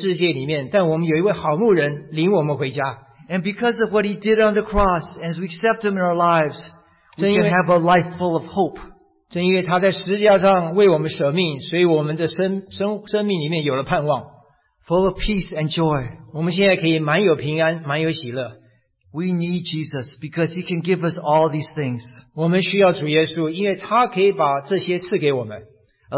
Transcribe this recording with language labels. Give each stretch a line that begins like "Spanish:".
Chinese: 我们在这个黑暗可怕的危险的世界里面，但我们有一位好牧人领我们回家。
English: And because of what he did on the cross, as we accept him in our lives, we can have a life full of hope.
Chinese: 正因为他在十字架上为我们舍命，所以我们的生命里面有了盼望。
English: Full of peace and joy.
Chinese: 我们现在可以满有平安，满有喜乐。
English: We need Jesus because he can give us all these things.
Chinese: 我们需要主耶稣，因为他可以把这些赐给我们。
English: A